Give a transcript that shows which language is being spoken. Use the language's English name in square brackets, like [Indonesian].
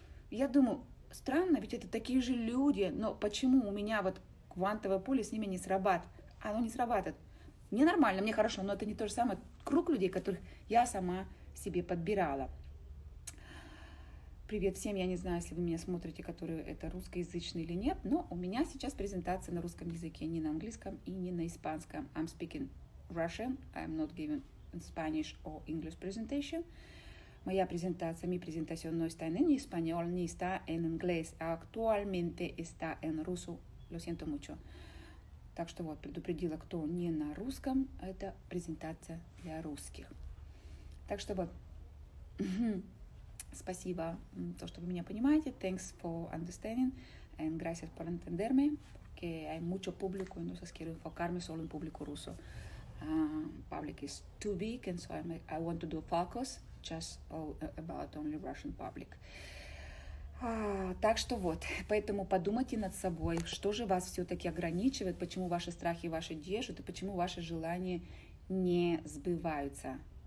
[Russian] Я думаю, странно, ведь это такие же люди, но почему у меня вот квантовое поле с ними не срабатывает? Оно не срабатывает. Мне нормально, мне хорошо, но это не то же самое круг людей, которых я сама себе подбирала. Привет всем, я не знаю, если вы меня смотрите, которые это русскоязычные или нет, но у меня сейчас презентация на русском языке, не на английском и не на испанском. [English] I'm speaking Russian, I'm not giving Spanish or English presentation. [Russian] Моя презентация, [Spanish] mi presentación no está en español, ni está en inglés. Actualmente está en ruso. Lo siento mucho. [Russian] Так что вот, предупредила, кто не на русском, это презентация для русских. Так что вот, Спасибо, то, что вы меня понимаете. [English] Thanks for understanding and [Spanish] gracias por entenderme, porque hay mucho público y entonces quiero enfocarme solo en público ruso. [English] Public is too big and so I want to do focus just about only Russian public. [Russian] Так что вот, поэтому подумайте над собой, что же вас все-таки ограничивает, почему ваши страхи ваши держат и почему ваши желания не сбываются.